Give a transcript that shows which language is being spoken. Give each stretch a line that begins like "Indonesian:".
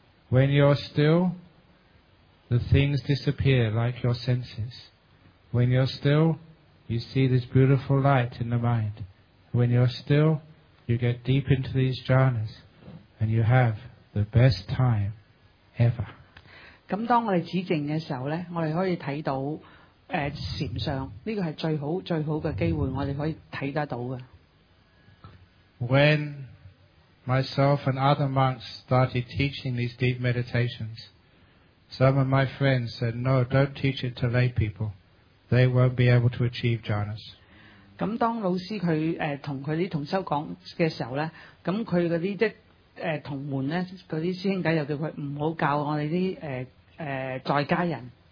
English: When you're still, the things disappear like your senses. When you're still, you see this beautiful light in the mind. When you're still, you get deep into these jhanas, and you have the best time ever.
Cantonese: 咁當我哋止靜嘅時候咧，我哋可以睇到禪相，呢個係最好最好嘅機會，我哋可以睇得到嘅。
English: When myself and other monks started teaching these deep meditations, some of my friends said, "No, don't teach it to lay people. They won't be able to achieve jhanas."
Cantonese: 咁當老師佢同佢啲同修講嘅時候咧，咁佢嗰啲即同門咧，嗰啲師兄弟又叫佢唔好教我哋啲在家人。